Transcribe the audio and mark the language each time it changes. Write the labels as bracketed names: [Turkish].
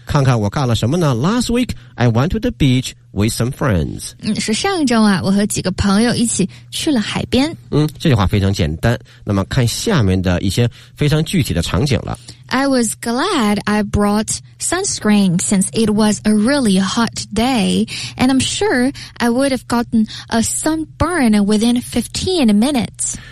[Chinese] 看看我干了什么呢 [English] ？Last week I went to the beach with some friends。 [Chinese] 嗯，是上周啊，我和几个朋友一起去了海边。嗯，这句话非常简单。那么看下面的一些非常具体的场景了。 [English] I was glad I brought sunscreen since it was a really hot day, and I'm sure I would have gotten a sunburn within 15 minutes.